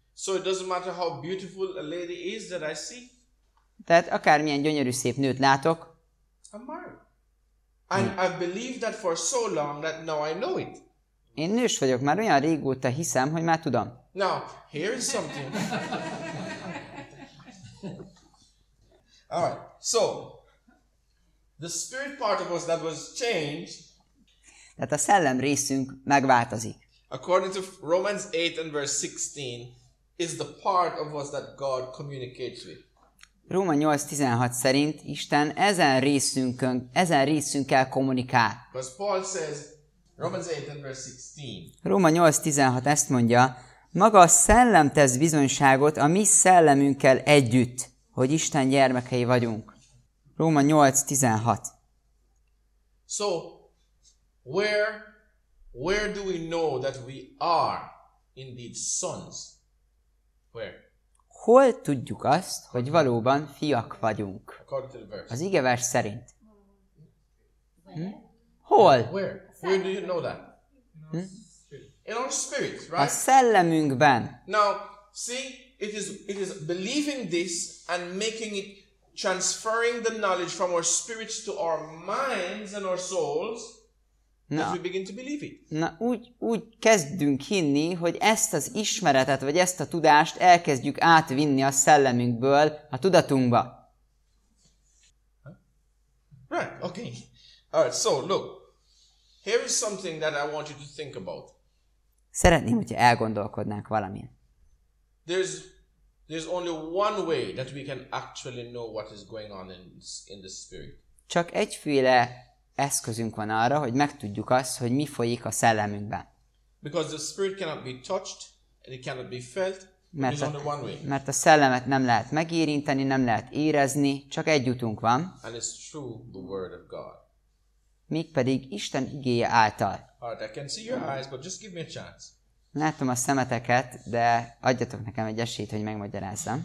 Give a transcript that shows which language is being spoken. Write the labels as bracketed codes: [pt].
[en] So it doesn't matter how beautiful a lady is that I see. [hu] Tehát akármilyen gyönyörű szép nőt látok. [en] I'm married. And I've believed that for so long that now I know it. [hu] Én nős vagyok, már olyan régóta hiszem, hogy már tudom. [en] Now, here is something. Alright, so the spirit part of us that was changed. [hu] Tehát a szellem részünk megváltozik. [en] According to Romans 8 and verse 16 is the part of us that God communicates with. [hu] Róma 8:16 szerint Isten ezen részünkkel kommunikál. [en] Because Paul says Romans 8 and verse 16. [hu] Róma 8:16 ezt mondja, maga a szellem tesz bizonyságot a mi szellemünkkel együtt, hogy Isten gyermekei vagyunk. Róma 8:16. [en] So, where do we know that we are indeed sons? Where? [hu] Hol tudjuk azt, hogy valóban fiak vagyunk? [en] According to the verse. [hu] Az igevers szerint. Hol? [en] Where do you know that? In our spirit, right? [hu] A szellemünkben. [en] Now, see, it is believing this and making it, transferring the knowledge from our spirits to our minds and our souls, as we begin to believe it. [hu] Na, úgy kezdünk hinni, hogy ezt az ismeretet, vagy ezt a tudást elkezdjük átvinni a szellemünkből a tudatunkba. [en] Huh? Right, okay. Alright, so look. Here is something that I want you to think about. [hu] Szeretném, hogyha elgondolkodnánk valamin. [en] There's only one way that we can actually know what is going on in the spirit. [hu] Csak egyféle eszközünk van arra, hogy megtudjuk azt, hogy mi folyik a szellemünkben. [en] Because the spirit cannot be touched, and it cannot be felt, [hu] Mert a szellemet nem lehet megérinteni, nem lehet érezni, csak egy útunk van. [en] And it's through the word of God. [hu] Mégpedig Isten igéje által. [en] Alright, I can see your eyes, but just give me a chance. [hu] Látom a szemeteket, de adjatok nekem egy esélyt, hogy megmagyarázzam.